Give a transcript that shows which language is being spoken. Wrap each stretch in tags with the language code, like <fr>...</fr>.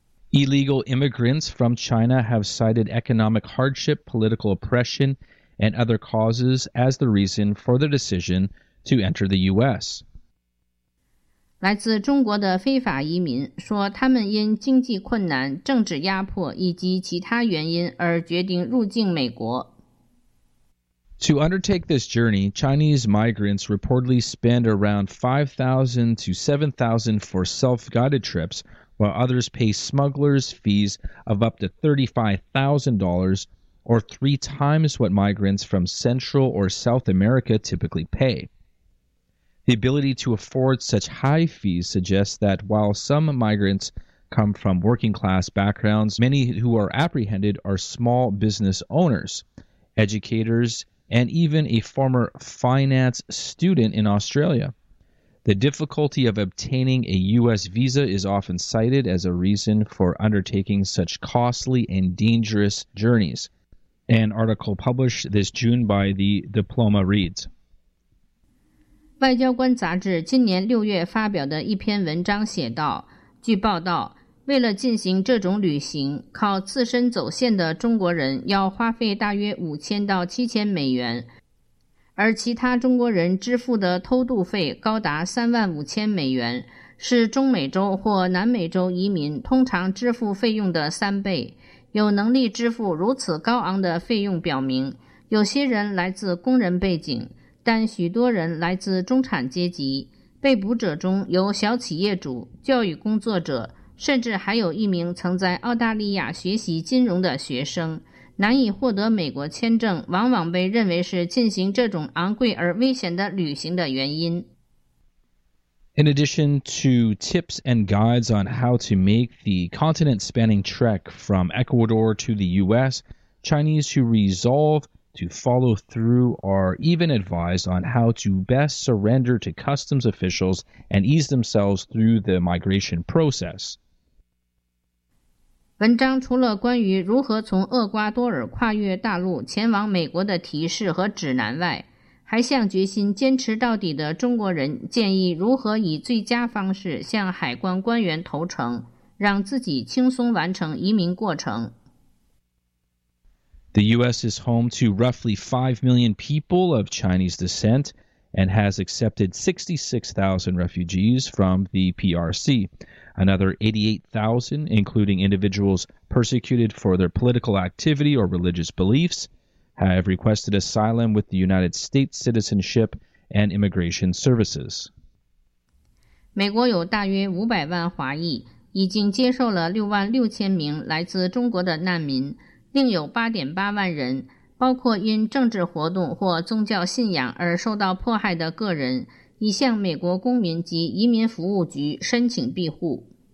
<en>Illegal immigrants from China have cited economic hardship, political oppression, and other causes as the reason for their decision to enter the U.S.</en> <zh>来自中国的非法移民说他们因经济困难、政治压迫以及其他原因而决定入境美国。</zh> <en>To undertake this journey, Chinese migrants reportedly spend around $5,000 to $7,000 for self-guided trips, while others pay smugglers fees of up to $35,000, or three times what migrants from Central or South America typically pay. The ability to afford such high fees suggests that while some migrants come from working-class backgrounds, many who are apprehended are small business owners, educators,and even a former finance student in Australia. The difficulty of obtaining a U.S. visa is often cited as a reason for undertaking such costly and dangerous journeys. An article published this June by The Diploma reads.</en> <zh>外交官杂志今年六月发表的一篇文章写道，据报道，为了进行这种旅行，靠自身走线的中国人要花费大约5000到7000美元，而其他中国人支付的偷渡费高达35000美元，是中美洲或南美洲移民通常支付费用的3倍。有能力支付如此高昂的费用表明，有些人来自工人背景，但许多人来自中产阶级。被捕者中有小企业主、教育工作者，甚至还有一名曾在澳大利亚学习金融的学生。难以获得美国签证往往被认为是进行这种昂贵而危险的旅行的原因。</zh> <en>In addition to tips and guides on how to make the continent-spanning trek from Ecuador to the U.S., Chinese who resolve to follow through are even advised on how to best surrender to customs officials and ease themselves through the migration process.</en> <zh>文章除了关于如何从厄瓜多尔跨越大陆前往美国的提示和指南外，还向决心坚持到底的中国人建议如何以最佳方式向海关官员投诚，让自己轻松完成移民过程。</zh> <en>The U.S. is home to roughly 5 million people of Chinese descent and has accepted 66,000 refugees from the PRC, another 88,000, including individuals persecuted for their political activity or religious beliefs, have requested asylum with the United States Citizenship and Immigration Services.</en> <zh>美国有大约500万华裔已经接受了66,000名来自中国的难民，另有8.8万人，包括因政治活动或宗教信仰而受到迫害的个人，已向美国公民及移民服务局申请庇护。</zh>